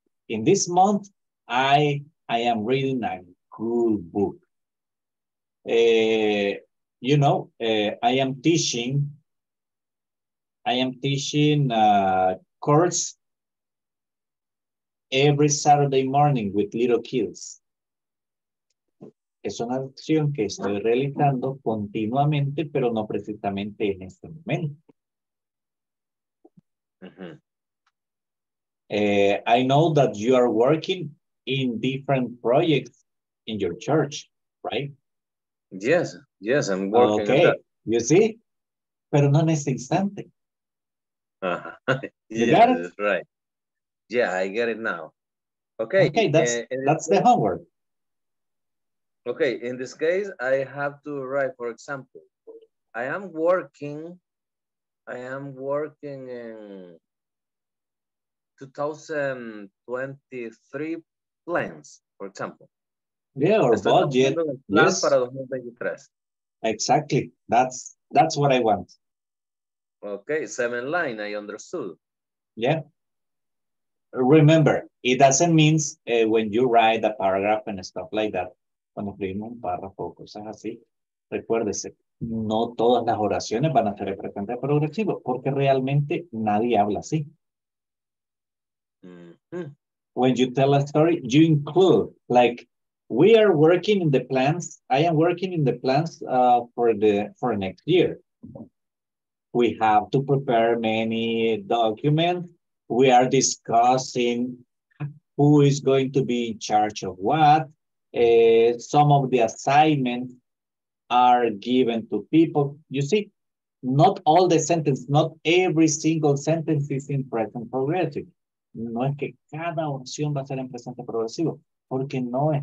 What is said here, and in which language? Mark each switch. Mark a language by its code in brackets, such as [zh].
[en] In this month, I am reading a good book. You know, I am teaching a course every Saturday morning with little kids. [es] Es una opción que estoy realizando continuamente, pero no precisamente en este momento. Mm-hmm. [en] I know that you are working in different projects in your church, right? Yes, yes, I'm working. Okay, that. You see? [es] Pero no en ese instante. [en] Uh-huh. Yeah, you got it? That's right. Yeah, I get it now. Okay, okay, that's the homework. Okay, in this case, I have to write, for example, I am working in 2023 plans, for example. Yeah, or budget. Plans, yes. [es] Para 2023. [en] Exactly. That's what I want. Okay, 7 line, I understood. Yeah. Remember, it doesn't mean when you write a paragraph and stuff like that, [es] cuando escribimos un párrafo o cosas así, recuérdese, no todas las oraciones van a ser el presente progresivo, porque realmente nadie habla así. Mm-hmm. [en] When you tell a story, you include, like, we are working in the plans, I am working in the plans for next year. We have to prepare many documents. We are discussing who is going to be in charge of what. Some of the assignments are given to people. You see, not all the sentences, not every single sentence is in present progressive. [es] No es que cada oración va a ser en presente progresivo, porque no es